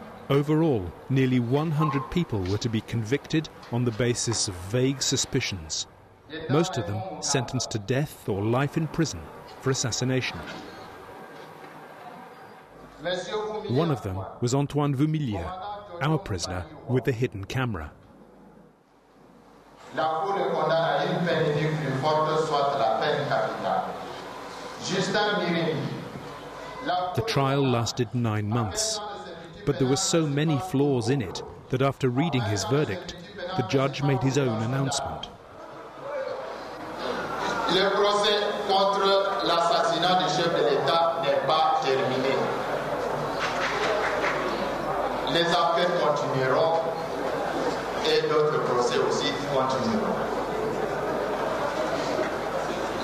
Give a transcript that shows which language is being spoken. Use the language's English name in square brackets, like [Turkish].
[English] Overall, nearly 100 people were to be convicted on the basis of vague suspicions. Most of them sentenced to death or life in prison for assassination. One of them was Antoine Vumilia, our prisoner with the hidden camera. [French] La Cour le condamne à une peine du plus forte, soit la peine capitale. Justin Mirin. [English] The trial lasted 9 months, but there were so many flaws in it that after reading his verdict, the judge made his own announcement. [French] Le procès contre l'assassinat du chef de l'État n'est pas terminé. Les affaires continueront et d'autres procès aussi continueront.